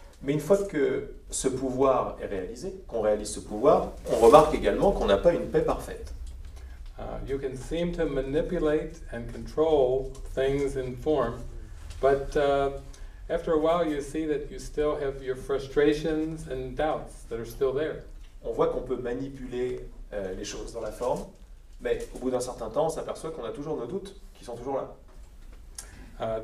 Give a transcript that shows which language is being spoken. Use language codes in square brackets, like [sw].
[fr] Mais une fois que ce pouvoir est réalisé, qu'on réalise ce pouvoir, on remarque également qu'on n'a pas une paix parfaite. [en] You can seem to manipulate and control things in form, but after a while you see that you still have your frustrations and doubts that are still there. [fr] On voit qu'on peut manipuler les choses dans la forme, mais au bout d'un certain temps, on s'aperçoit qu'on a toujours nos doutes qui sont toujours là.